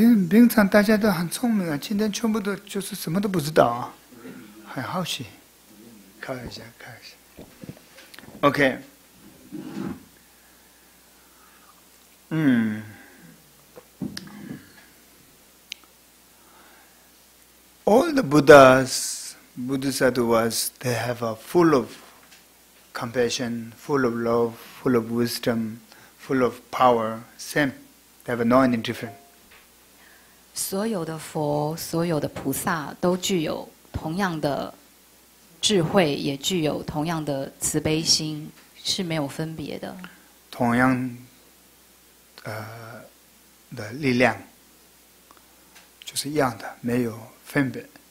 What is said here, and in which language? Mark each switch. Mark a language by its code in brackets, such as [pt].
[zh] 平常大家都很聪明啊，今天全部都就是什么都不知道啊，很好奇，看一下看一下。 [en] OK， All the Buddhas, Bodhisattvas, they have a full of compassion, full of love, full of wisdom, full of power. Same, they have no any different. [zh] 所有的佛，所有的菩萨都具有同样的智慧，也具有同样的慈悲心，是没有分别的。同样的力量，就是一样的，没有分别。